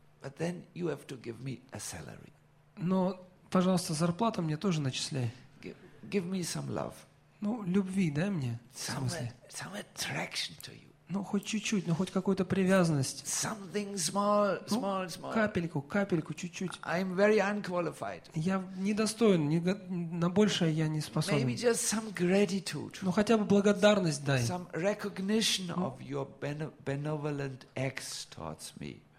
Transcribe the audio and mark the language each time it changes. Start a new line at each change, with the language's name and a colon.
English: But then you have to give me a salary.
Russian: Но, пожалуйста, зарплату мне тоже начисляй.
English: Give me some love.
Russian: Ну, любви дай мне.
English: Some attraction to you.
Russian: Ну, хоть чуть-чуть, ну, хоть какую-то привязанность.
English: Something small.
Russian: Ну, капельку, чуть-чуть.
English: I'm very unqualified.
Russian: Я недостоин, на большее я не способен.
English: Maybe just some gratitude.
Russian: Ну, хотя бы благодарность дай.
English: Some recognition of your benevolent acts towards me.